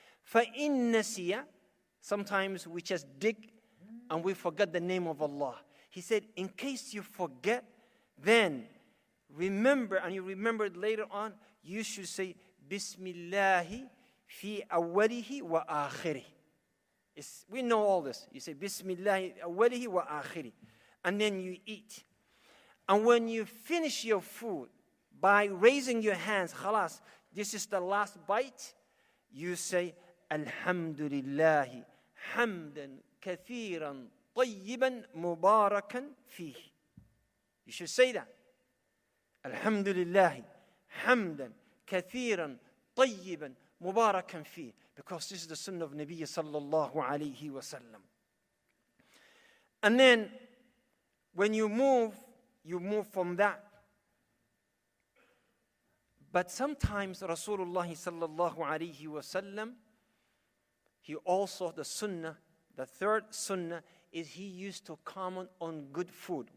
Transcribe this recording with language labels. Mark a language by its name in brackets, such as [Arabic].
[Arabic] فإن نسي, [English] sometimes we just dig and we forget the name of Allah. He said, in case you forget, then remember, and you remember it later on, you should say, [Arabic] بسم الله في أوله وآخره. [English] We know all this. You say, [Arabic] بسم الله أوله وآخره. [English] And then you eat. And when you finish your food by raising your hands, khalas, this is the last bite, you say, [Arabic] Alhamdulillah, hamdan kathiran tayyiban mubarakan fihi. [English] You should say that. [Arabic] الحمد لله حمدا كثيرا طيبا مباركا فيه. [English] Because this is the sunnah of Nabi sallallahu alayhi wa sallam. And then when you move from that. But sometimes Rasulullah sallallahu alayhi wa sallam, he also, the sunnah, the third sunnah, is he used to comment on good food.